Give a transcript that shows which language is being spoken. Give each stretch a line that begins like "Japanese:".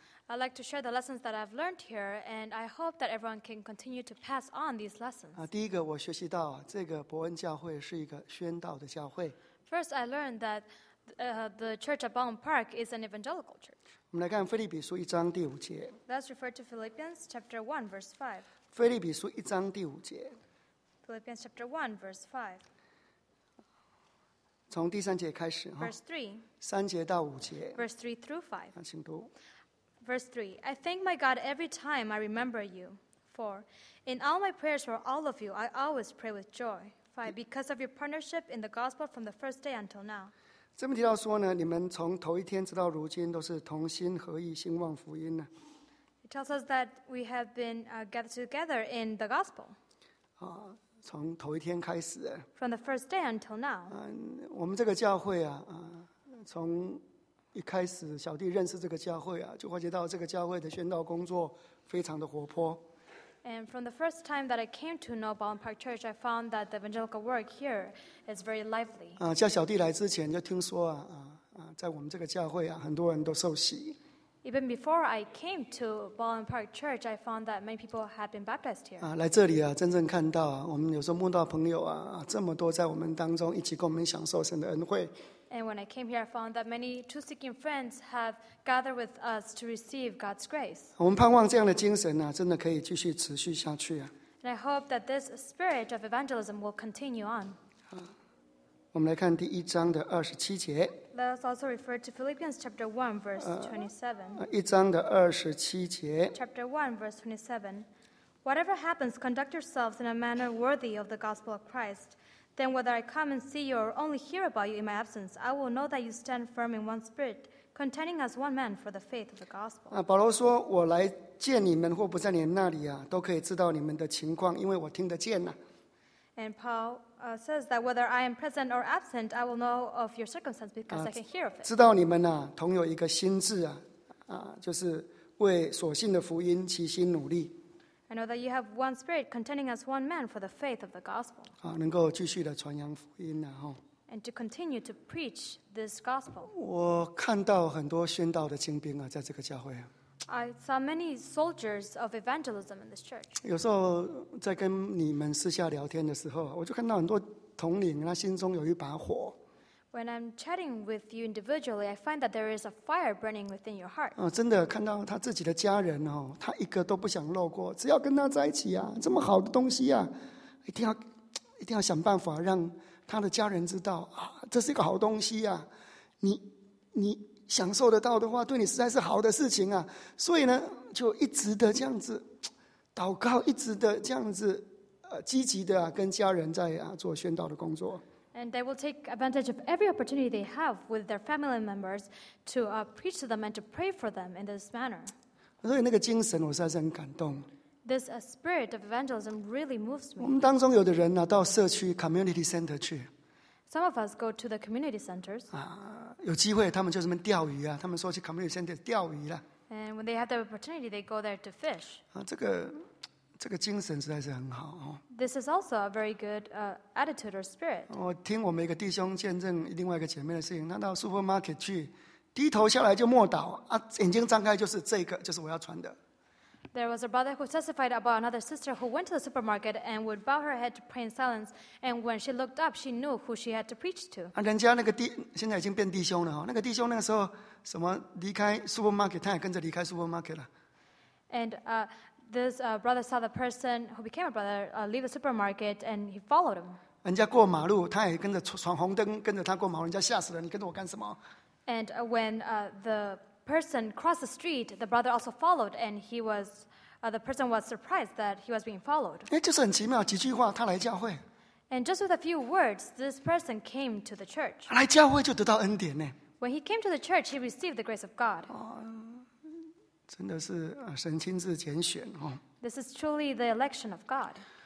English: I'd like to share the lessons that I've learned here, and I hope that everyone can continue to pass on these lessons.
Chinese: 第一个我学习到，这个伯恩教会是一个宣道的教会。
English: First, I learned that the Church of Bowen Park is an evangelical church.
Chinese: 我们来看腓立比书1章第5节。
English: Let's refer to Philippians chapter 1, verse 5.
Chinese: 腓立比书一章第五节。
English: Philippians chapter 1, verse 5.
Chinese: 从第三节开始。
English: Verse 3.
Chinese: 三节到五节。
English: Verse 3 through 5.
Chinese: 请读。
English: Verse 3. I thank my God every time I remember you. 4. In all my prayers for all of you, I always pray with joy. 5. Because of your partnership in the gospel from the first day until now.
Chinese: 这么提到说呢，你们从头一天直到如今都是同心合意兴旺福音呢。
English: It tells us that we have been gathered together in the gospel.
Chinese: 从头一天开始。
English: From the first day until now.
Chinese: 我们这个教会啊，从一开始小弟认识这个教会啊，就发觉到这个教会的宣道工作非常的活泼。
English: And from the first time that I came to know Baldwin Park Church, I found that the evangelical work here is very lively.
Chinese: 叫小弟来之前就听说啊，在我们这个教会啊，很多人都受洗。
English: Even before I came to Baldwin Park Church, I found that many people had been baptized here.
Chinese: 来这里啊，真正看到啊，我们有时候慕道朋友啊，这么多在我们当中一起跟我们享受神的恩惠。
English: And when I came here, I found that many truth-seeking friends have gathered with us to receive God's grace.
Chinese: 我们盼望这样的精神呢，真的可以继续持续下去啊。
English: And I hope that this spirit of evangelism will continue on.
Chinese: 我们来看第一章的二十七节。
English: Let's also refer to Philippians chapter 1, verse 27.
Chinese: 一章的二十七节。
English: Chapter 1, verse 27. Whatever happens, conduct yourselves in a manner worthy of the gospel of Christ. Then whether I come and see you or only hear about you in my absence, I will know that you stand firm in one spirit, contending as one man for the faith of the gospel.
Chinese: 保罗说，我来见你们或不在你们那里啊，都可以知道你们的情况，因为我听得见啊。
English: And Paul says that whether I am present or absent, I will know of your circumstance because I can hear of it.
Chinese: 知道你们啊，同有一个心志啊，就是为所信的福音齐心努力。
English: I know that you have one spirit contending as one man for the faith of the gospel.
Chinese: 能够继续的传扬福音呢，哈。
English: And to continue to preach this gospel.
Chinese: 我看到很多宣道的精兵啊，在这个教会啊。
English: I saw many soldiers of evangelism in this church.
Chinese: 有时候在跟你们私下聊天的时候，我就看到很多统领，他心中有一把火。
English: When I'm chatting with you individually, I find that there is a fire burning within your heart.
Chinese: 真的看到他自己的家人哦，他一个都不想漏过，只要跟他在一起啊，这么好的东西啊，一定要想办法让他的家人知道啊，这是一个好东西啊，你享受得到的话，对你实在是好的事情啊。所以呢，就一直的这样子祷告，一直的这样子积极的啊，跟家人在啊做宣道的工作。
English: And they will take advantage of every opportunity they have with their family members to preach to them and to pray for them in this manner.
Chinese: 所以那个精神我实在是很感动。
English: This spirit of evangelism really moves me.
Chinese: 我们当中有的人呢，到社区 community center 去。
English: Some of us go to the community centers.
Chinese: 有机会他们就这么钓鱼啊，他们说去 community center 钓鱼了。
English: And when they have the opportunity, they go there to fish.
Chinese: 这个精神实在是很好。
English: This is also a very good attitude or spirit.
Chinese: 我听我们一个弟兄见证另外一个姐妹的事情，他到 supermarket 去，低头下来就默祷，眼睛张开就是这个，就是我要穿的。
English: There was a brother who testified about another sister who went to the supermarket and would bow her head to pray in silence, and when she looked up, she knew who she had to preach to.
Chinese: 人家那个弟现在已经变弟兄了，那个弟兄那个时候什么离开 supermarket， 他也跟着离开 supermarket 了。
English: And This brother saw the person who became a brother leave the supermarket, and he followed him.
Chinese: 人家过马路，他也跟着闯红灯，跟着他过马路，人家吓死了，你跟着我干什么
English: ？And when the person crossed the street, the brother also followed, and he was the person was surprised that he was being followed.
Chinese: 哎，就是很奇妙，几句话他来教会。
English: And just with a few words, this person came to the church.
Chinese: 来教会就得到恩典呢。
English: When he came to the church, he received the grace of God.
Chinese: 真的是神亲自拣选。
English: This is truly the election of God.